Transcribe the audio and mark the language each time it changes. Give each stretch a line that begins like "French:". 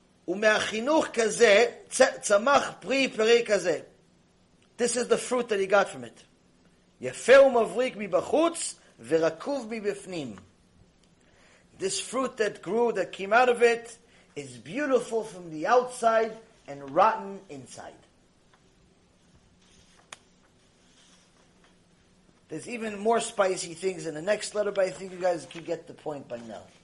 Hebrew: ומהחינוך כזה צמח פרי פרי כזה.
English: This is the fruit that he got from it.
Hebrew: יפה ומבריק מבחוץ ורקוב מבפנים.
English: This fruit that grew, that came out of it, is beautiful from the outside and rotten inside. There's even more spicy things in the next letter, but I think you guys can get the point by now.